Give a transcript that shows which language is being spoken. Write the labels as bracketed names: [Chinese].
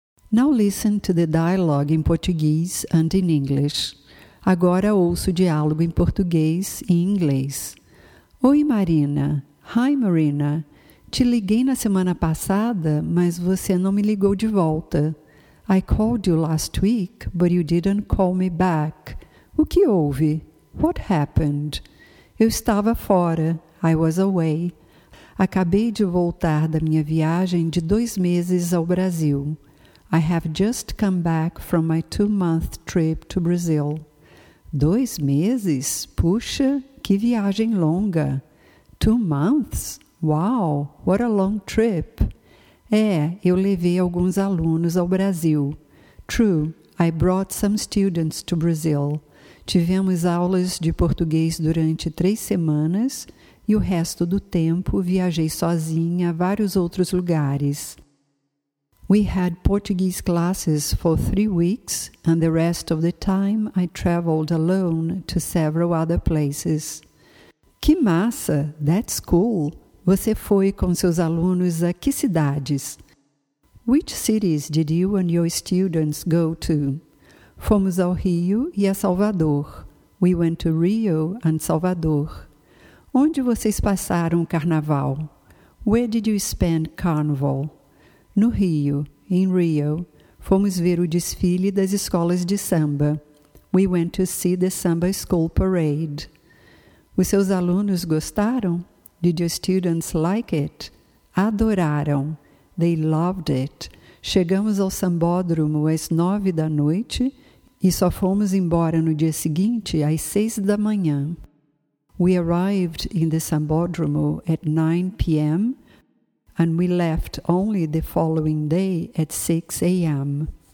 [English] Now listen to the dialogue in Portuguese and in English. [Portuguese] Agora ouço o diálogo em português e inglês. Oi, Marina. [English] Hi, Marina. [Portuguese] Te liguei na semana passada, mas você não me ligou de volta. [English] I called you last week, but you didn't call me back. [Portuguese] O que houve? [English] What happened? [Portuguese] Eu estava fora. [English] I was away. [Portuguese] Acabei de voltar da minha viagem de 2 meses ao Brasil. [English] I have just come back from my 2-month trip to Brazil. [Portuguese] 2 meses? Puxa, que viagem longa. [English] 2 months? Wow, what a long trip. [Portuguese] É, eu levei alguns alunos ao Brasil. [English] True, I brought some students to Brazil. [Portuguese] Tivemos aulas de português durante 3 semanas e o resto do tempo viajei sozinha a vários outros lugares. [English] We had Portuguese classes for 3 weeks, and the rest of the time I traveled alone to several other places. [Portuguese] Que massa! [English] That's cool! [Portuguese] Você foi com seus alunos a que cidades? [English] Which cities did you and your students go to? [Portuguese] Fomos ao Rio e a Salvador. [English] We went to Rio and Salvador. [Portuguese] Onde vocês passaram o carnaval? [English] Where did you spend carnival? [Portuguese] No Rio, [English] in Rio, [Portuguese] fomos ver o desfile das escolas de samba. [English] We went to see the samba school parade. [Portuguese] Os seus alunos gostaram? [English] Did your students like it? [Portuguese] Adoraram. [English] They loved it. [Portuguese] Chegamos ao sambódromo às 9 da noite e só fomos embora no dia seguinte às 6 da manhã. [English] We arrived in the sambódromo at 9 p.m. and we left only the following day at 6 a.m.